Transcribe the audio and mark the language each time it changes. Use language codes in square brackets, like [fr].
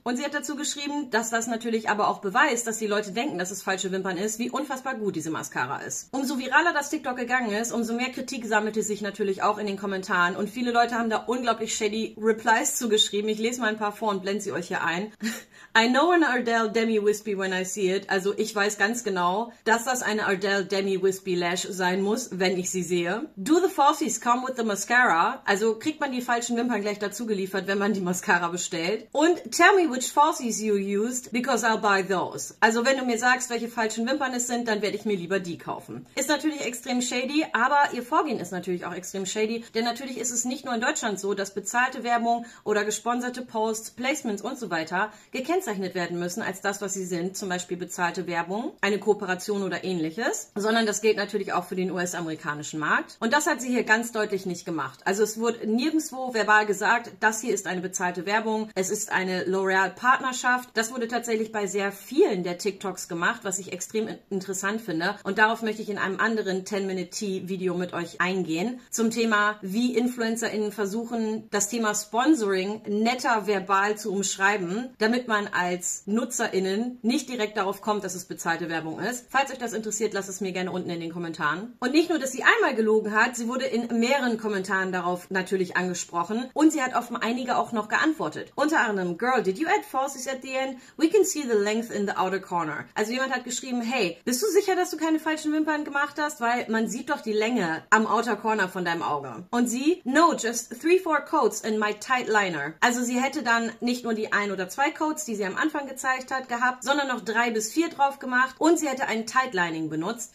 [de] Und sie hat dazu geschrieben, dass das natürlich aber auch beweist, dass die Leute denken, dass es falsche Wimpern ist, wie unfassbar gut diese Mascara ist. Umso viraler das TikTok gegangen ist, umso mehr Kritik sammelte sich natürlich auch in den Kommentaren und viele Leute haben da unglaublich shady Replies zugeschrieben. Ich lese mal ein paar vor und blende sie euch hier ein. [en] I know an Adele Demi Wispy when I see it. [de] Also ich weiß ganz genau, dass das eine Adele Demi Wispy Lash sein muss, wenn ich sie sehe. [en] Do the falsies come with the mascara? [de] Also kriegt man die falschen Wimpern gleich dazu geliefert, wenn man die Mascara bestellt. Und [en] tell me which falsies you used, because I'll buy those. [de] Also wenn du mir sagst, welche falschen Wimpern es sind, dann werde ich mir lieber die kaufen. Ist natürlich extrem shady, aber ihr Vorgehen ist natürlich auch extrem shady, denn natürlich ist es nicht nur in Deutschland so, dass bezahlte Werbung oder gesponserte Posts, Placements und so weiter gekennzeichnet werden müssen als das, was sie sind, zum Beispiel bezahlte Werbung, eine Kooperation oder ähnliches, sondern das gilt natürlich auch für den US-amerikanischen Markt. Und das hat sie hier ganz deutlich nicht gemacht. Also es wurde nirgendwo verbal gesagt, das hier ist eine bezahlte Werbung, es ist eine L'Oreal-Partnerschaft. Das wurde tatsächlich bei sehr vielen der TikToks gemacht, was ich extrem interessant finde. Und darauf möchte ich in einem anderen 10-Minute-Tea-Video mit euch eingehen, zum Thema, wie InfluencerInnen versuchen, das das Thema Sponsoring netter verbal zu umschreiben, damit man als NutzerInnen nicht direkt darauf kommt, dass es bezahlte Werbung ist. Falls euch das interessiert, lasst es mir gerne unten in den Kommentaren. Und nicht nur, dass sie einmal gelogen hat, sie wurde in mehreren Kommentaren darauf natürlich angesprochen und sie hat auf einige auch noch geantwortet. Unter anderem, [en] Girl, did you add falsies at the end? We can see the length in the outer corner. [de] Also jemand hat geschrieben, hey, bist du sicher, dass du keine falschen Wimpern gemacht hast? Weil man sieht doch die Länge am outer corner von deinem Auge. Und sie, [en] no, just 3-4 coats in my tight liner. [de] Also sie hätte dann nicht nur die ein oder zwei Coats, die sie am Anfang gezeigt hat, gehabt, sondern noch 3 bis 4 drauf gemacht und sie hätte ein Tightlining benutzt.